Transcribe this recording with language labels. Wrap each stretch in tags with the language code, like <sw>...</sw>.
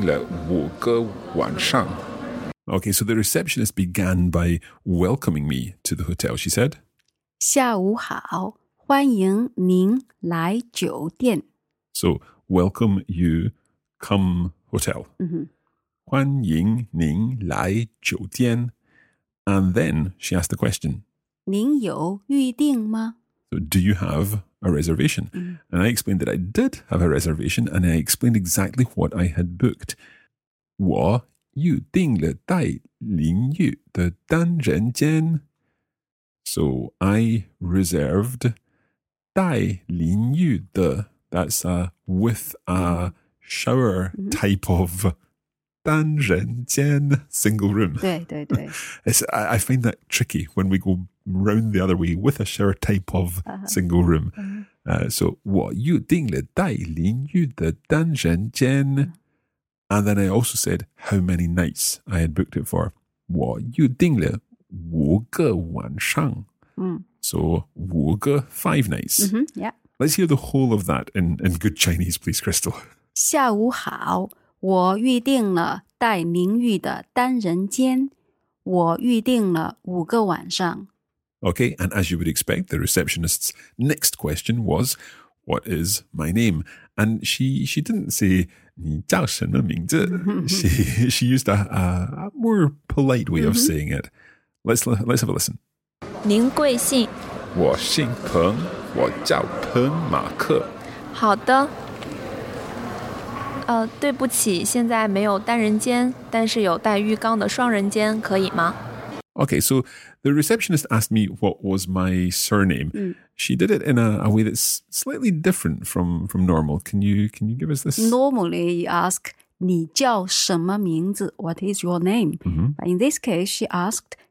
<zh>下午好,我预定了带林佑的单人间,我预定了5个晚上。</zh> <en>Okay, so the receptionist began by welcoming me to the hotel, she said.</en> <zh>下午好,欢迎您来酒店。</zh> <en>So, welcome you, come hotel. Mm-hmm.</en> <zh>欢迎您来酒店。</zh> <en>And then she asked the question,</en> <zh>您有预定吗?</zh> <en>So do you have a reservation? Mm-hmm. And I explained that I did have a reservation, and I explained exactly what I had booked.</en> <zh>我预定了带淋浴的单人间。</zh> <en>So I reserved</en> <zh>带淋浴的</zh> <en>That's a with a shower type of 单人间 single room.</en> <zh>对对对</zh> <en>It's, I find that tricky when we go round the other way with a shower type of single room. So</en> <zh>我预定了带淋浴的单人间</zh> <en>And then I also said how many nights I had booked it for.</en> <zh>我预定了五个晚上、嗯、</zh> <en>So 五个 five nights、嗯、Yeah. Let's hear the whole of that in good Chinese, please, Crystal.</en> <zh>下午好我预定了带淋浴的单人间我预定了五个晚上</zh> <en>Okay, and as you would expect, the receptionist's next question was, what is my name? And she didn't say,</en> <zh>你叫什么名字</zh> <en>She used a more polite way of saying it. Let's have a listen.</en> <zh>您贵姓？我姓彭，我叫彭马克。好的。对不起，现在没有单人间，但是有带浴缸的双人间，可以吗</zh> <en>？Okay, so the receptionist asked me what was my surname.、嗯、 She did it in a way that's slightly different from normal. Can you give us this? Normally, you ask</en> <zh>你叫什么名字</zh> <en>？What is your name?、 Mm-hmm. But in this case, she asked.</en>